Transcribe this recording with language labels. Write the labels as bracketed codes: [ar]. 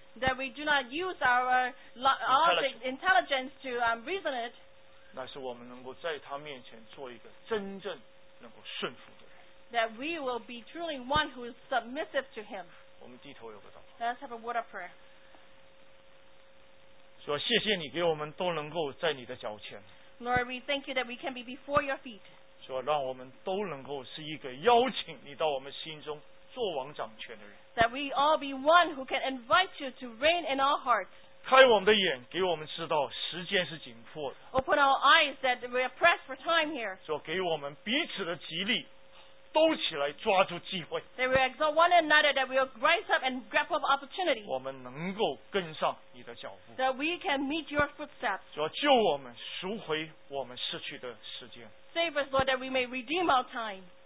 [en] That we do not use our intelligence to reason it. [zh] 那是我们能够在他面前做一个真正能够顺服的人。 [en] That we will be truly one who is submissive to him. [zh] 我们低头有个祷告。 [en] Let's have a word of prayer. [zh] 说谢谢你给我们都能够在你的脚前。 [en] Lord, we thank you that we can be before your feet. [zh] 说让我们都能够是一个邀请你到我们心中做王掌权的人。 [en] That we all be one who can invite you to reign in our hearts. [zh] 开我们的眼，给我们知道时间是紧迫的。 [en] Open our eyes that we are pressed for time here. [zh] 说给我们彼此的激励，都起来抓住机会。 [en] That we exhort one another that we will rise up and grab up opportunity. [zh] 我们能够跟上你的脚步。 [en] That we can meet your footsteps. [zh] 说救我们赎回我们失去的时间。 [en] Save us, Lord, that we may redeem our time.